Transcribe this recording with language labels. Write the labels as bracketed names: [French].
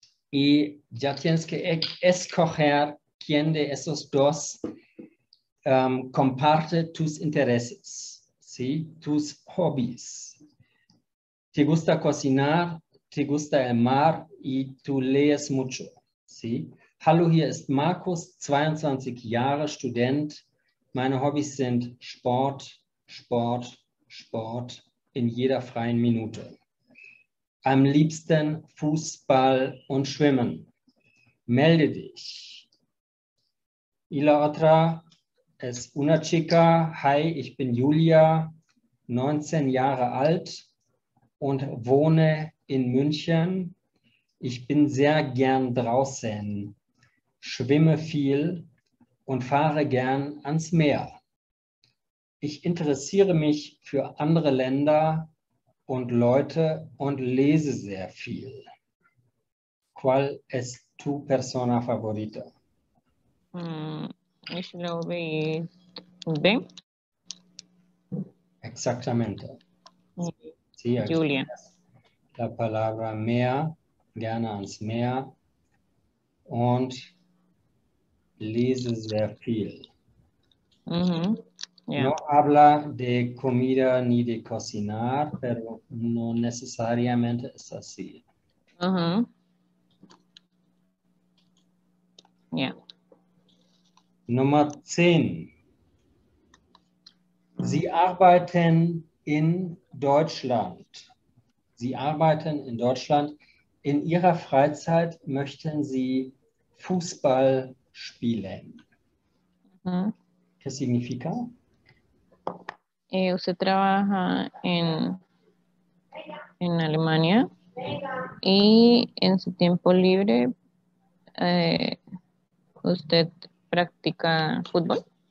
[Spanish] Y ya tienes que escoger quién de esos dos comparte tus intereses, ¿sí? Tus hobbies. Te gusta cocinar, te gusta el mar y tú lees mucho, ¿sí? [German] Hallo, hier ist Markus, 22 Jahre, Student. Meine Hobbys sind Sport, Sport, Sport in jeder freien Minute. Am liebsten Fußball und Schwimmen. Melde dich. [Spanish] Y la otra es una chica. [German] Hi, ich bin Julia, 19 Jahre alt und wohne in München. Ich bin sehr gern draußen, schwimme viel und fahre gern ans Meer. Ich interessiere mich für andere Länder und Leute und lese sehr viel. [Spanish] ¿Cuál es tu persona favorita? [German] Ich glaube, B. [Spanish] Exactamente. Sí, Julia. La palabra [German] Meer, gerne ans Meer. Und lese sehr viel. Yeah. [Spanish] No habla de comida ni de cocinar, pero no necesariamente es así. [German] Nummer 10. Sie arbeiten in Deutschland. Sie arbeiten in Deutschland. In Ihrer Freizeit möchten Sie Fußball spielen. [Spanish] ¿Qué significa? Usted trabaja en Alemania y en su tiempo libre usted practica fútbol.